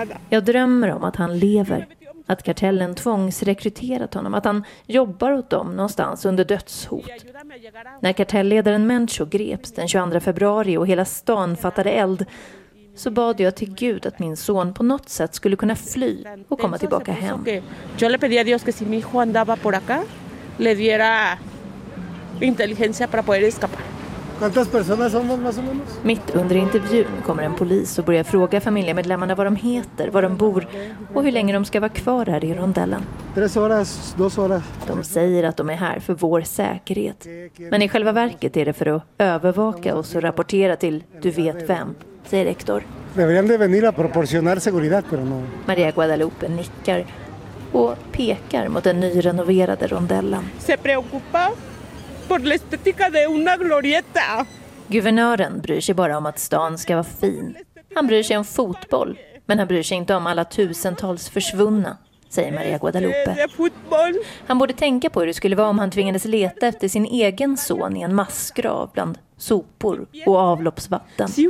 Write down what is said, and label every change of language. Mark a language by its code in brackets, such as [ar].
[sv] Jag drömmer om att han lever, att kartellen tvångsrekryterat honom, att han jobbar åt dem någonstans under dödshot. När kartellledaren Mencho greps den 22 februari och hela stan fattade eld, så bad jag till Gud att min son på något sätt skulle kunna fly och komma tillbaka hem. [es] Yo le pedí a Dios que si mi hijo andaba por acá le diera inteligencia para poder escapar. ¿Cuántas personas somos más o menos? [sv] Mitt under intervjun kommer en polis och börjar fråga familjemedlemmarna vad de heter, var de bor och hur länge de ska vara kvar här i rondellen. [es] 3 horas, 2 horas. [sv] De säger att de är här för vår säkerhet. Men i själva verket är det för att övervaka oss och rapportera till du vet vem, säger rektor. [es] Deberían de venir a proporcionar seguridad, pero no. [sv] Maria Guadalupe nickar och pekar mot den nyrenoverade rondellen. [es] Se preocupa por la estética de una glorieta. [sv] Guvernören bryr sig bara om att stan ska vara fin. Han bryr sig om fotboll, men han bryr sig inte om alla tusentals försvunna, säger Maria Guadalupe. Han borde tänka på hur det skulle vara om han tvingades leta efter sin egen son i en massgrav bland sopor och avloppsvatten.